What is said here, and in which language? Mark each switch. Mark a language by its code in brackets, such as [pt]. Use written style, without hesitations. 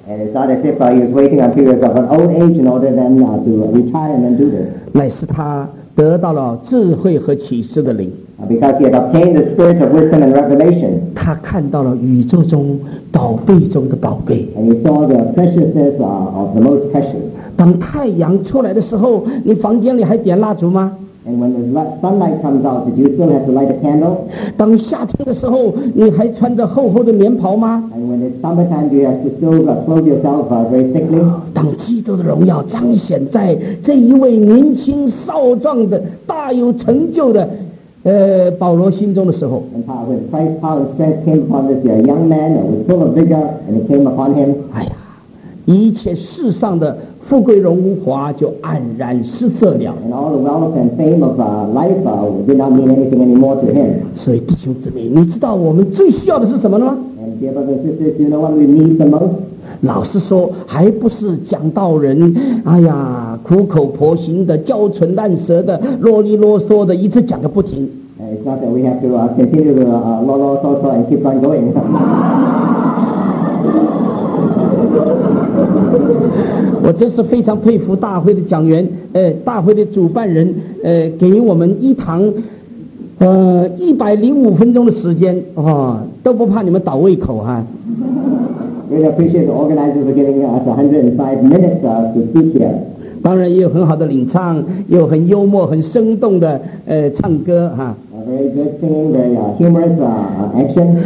[en] And it's not as if he was waiting until he was of an old age in order then to retire and then do this. [zh] 乃是他得到了智慧和启示的灵。 [en] Because he had obtained the spirit of wisdom and revelation. [zh] 他看到了宇宙中宝贝中的宝贝。 [en] And he saw the preciousness of the most precious. [zh] 当太阳出来的时候，你房间里还点蜡烛吗？ [en] And when the sunlight comes out, did you still have to light a candle? [zh] 当夏天的时候，你还穿着厚厚的棉袍吗？ [en] And when it's summertime, do you have to still clothe yourself very thickly? [zh] 当基督的荣耀彰显在这一位年轻少壮的大有成就的保罗心中的时候。 [en] And power, when Christ's power and strength came upon this young man, it was full of vigor, and it came upon him. [zh] 哎呀，一切世上的富贵荣华就黯然失色了。 [en] And all the wealth and fame of life did not mean anything anymore to him. [zh] 所以弟兄姊妹，你知道我们最需要的是什么吗？ [en] And dear brothers and sisters, do you know what we need the most? [zh] 老实说，还不是讲道人，哎呀，苦口婆心的，娇唇烂舌的，啰里啰嗦的，一直讲个不停。 [en] It's not that we have to continue to [zh] 啰啰嗦嗦 [en] and keep on going. [zh] 我真是非常佩服大会的讲员，大会的主办人，给我们一堂，105分钟的时间，都不怕你们倒胃口哈。 [en] Really appreciate the organizers for giving us 105 minutes to speak here. [zh] 当然也有很好的领唱，也有很幽默、很生动的唱歌哈。 [en] A very good singing, very humorous action.